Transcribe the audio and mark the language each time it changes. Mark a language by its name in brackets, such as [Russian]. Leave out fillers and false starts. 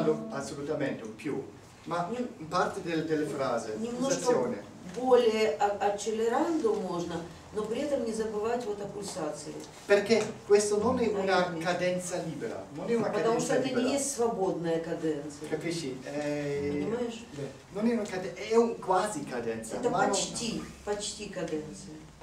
[Italian] Assolutamente un più, ma in parte delle frase, pulsazione. [Russian] Более accelerando можно, но при этом не забывать вот о пульсации. [Italian] Perché questo non è una cadenza libera, non è una cadenza libera. [Russian] Потому что это не есть свободная каденция. [Italian] Capisci? [Russian] Понимаешь? [Italian] Non è una cadenza, è un quasi cadenza. [Russian] Это почти, почти каденция.